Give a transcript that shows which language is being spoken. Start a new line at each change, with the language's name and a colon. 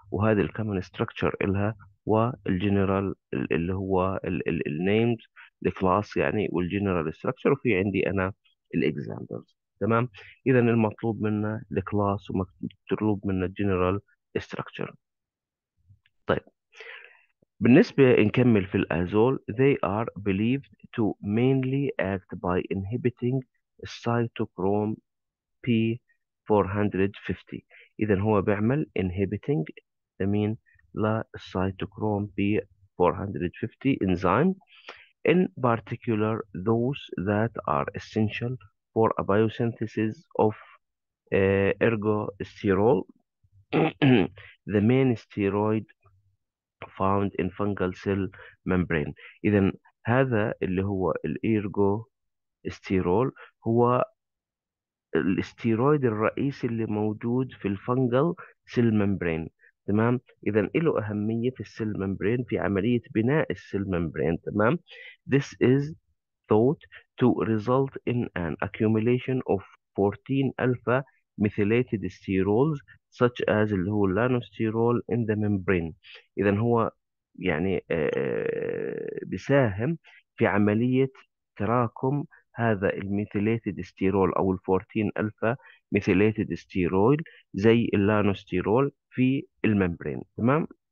Arabic: وهذه الكومن ستراكشر الها، والجنرال اللي هو النيمز الكلاس يعني، والجنرال ستراكشر، وفي عندي انا الاكزامبلز، تمام. اذا المطلوب منا الكلاس ومطلوب منا الجنرال ستراكشر. طيب بالنسبة نكمل في الأزول،
English: they are believed to mainly act by inhibiting cytochrome P450.
Arabic: إذا هو بيعمل
English: inhibiting
Arabic: أمين
English: للcytochrome P450 enzyme، in particular those that are essential for a biosynthesis of ergosterol the main steroid found in fungal cell membrane.
Arabic: إذا هذا اللي هو الإيرجو استيرول هو الاستيرويد الرئيسي اللي موجود في الفانجل سيل ممبرين، تمام. إذا له أهمية في السيل ممبرين، في عملية بناء السيل ممبرين، تمام.
English: This is thought to result in an accumulation of 14 alpha methylated sterols such as
Arabic: اللي هو اللانوستيرول
English: in the membrane.
Arabic: إذا هو يعني بيساهم في عملية تراكم هذا الميثيليتد ستيرول أو ال 14 ألفا ميثيليتد ستيرول زي اللانوستيرول في الممبرين، تمام.